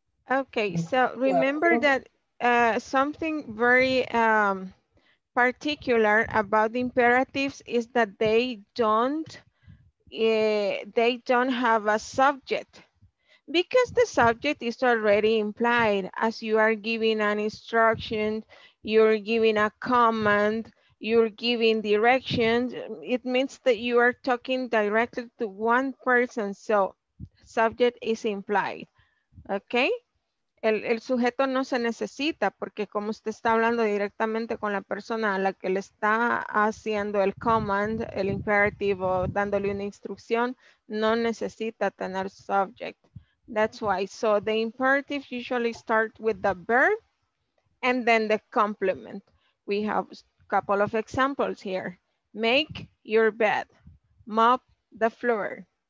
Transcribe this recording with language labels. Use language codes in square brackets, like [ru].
[en] Okay, so remember that something very particular about the imperatives is that they don't have a subject, because the subject is already implied. As you are giving an instruction, you're giving a command, you're giving directions, it means that you are talking directly to one person, so subject is implied, okay? [es] El sujeto no se necesita porque como usted está hablando directamente con la persona a la que le está haciendo el command, el imperative o dándole una instrucción, no necesita tener subject. [en] That's why. So the imperative usually start with the verb and then the complement. We have a couple of examples here. Make your bed. Mop the floor.